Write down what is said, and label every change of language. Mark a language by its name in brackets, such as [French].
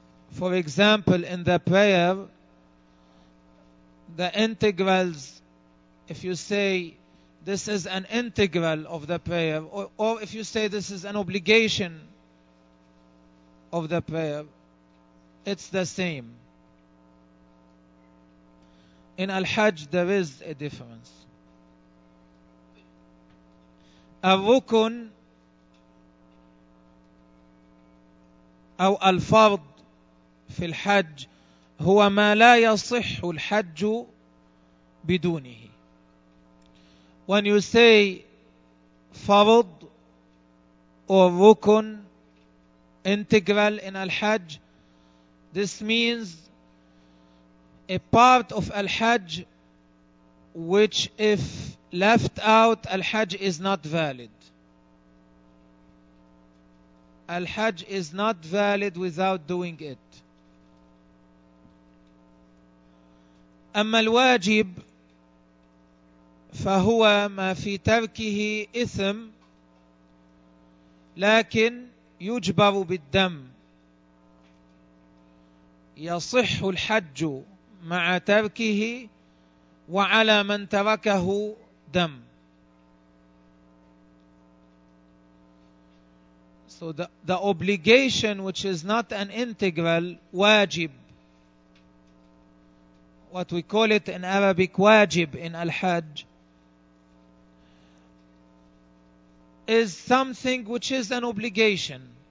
[English] For example, in the prayer, the integrals, if you say this is an integral of the prayer, or if you say this is an obligation of the prayer, it's the same. In al-Hajj, there is a difference. [Arabic] Al-Rukun, or al-Fard, في الحج, هو ما لا يصح الحج بدونه. [English] When you say fard or rukun, integral in al-hajj, this means a part of al-hajj which if left out, al-hajj is not valid. Al-hajj is not valid without doing it. [Arabic] أما الواجب فهو ما في تركه إثم لكن يجبر بالدم. يصح الحج مع تركه وعلى من تركه دم. [English] So the obligation which is not an integral, واجب, what we call it in Arabic واجب in al-Hajj, is something which is an obligation.